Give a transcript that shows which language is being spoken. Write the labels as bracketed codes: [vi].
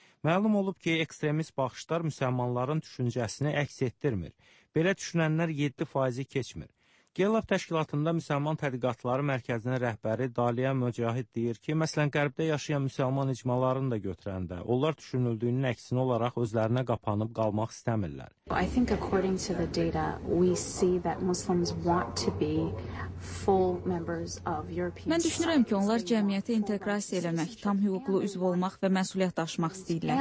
[az] Məlum olub ki, ekstremist baxışlar müsəlmanların düşüncəsini əks etdirmir. Belə düşünənlər 7%-i keçmir. Gallup təşkilatında müsəlman tədqiqatları mərkəzinin rəhbəri Daliya Möcahid deyir ki, məsələn, qərbdə yaşayan müsəlman icmalarını da götürəndə, onlar düşünüldüyünün əksini olaraq özlərinə qapanıb qalmaq istəmirlər. [en] I think according to the data, we see that Muslims want to be full members of European society. [az] Mən düşünürəm ki, onlar cəmiyyətə inteqrasiya eləmək, tam hüquqlu üzv olmaq və məsuliyyət daşımaq istəyirlər.